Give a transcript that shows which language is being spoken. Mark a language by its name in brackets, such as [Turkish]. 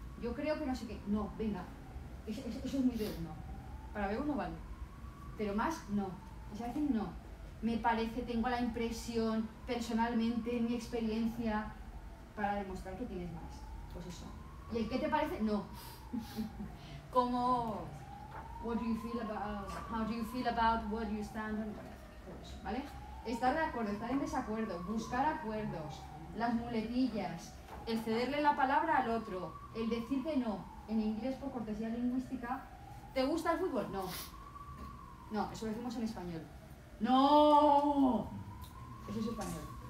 [Spanish] Yo creo que no sé qué. No, venga. Eso es muy de uno. Para ver uno vale. Pero más, no. O sea, decir, no. Me parece, tengo la impresión, personalmente, mi experiencia, para demostrar que tienes más. Pues eso. ¿Y el qué te parece? No. Como, [English] what do you feel about, how do you feel about, what do you stand on? [Spanish] Pues, ¿vale? Estar de acuerdo, estar en desacuerdo, buscar acuerdos, las muletillas, el cederle la palabra al otro, el decir que no, en inglés por cortesía lingüística. ¿Te gusta el fútbol? No. No, eso lo decimos en español. ¡No! Eso es español.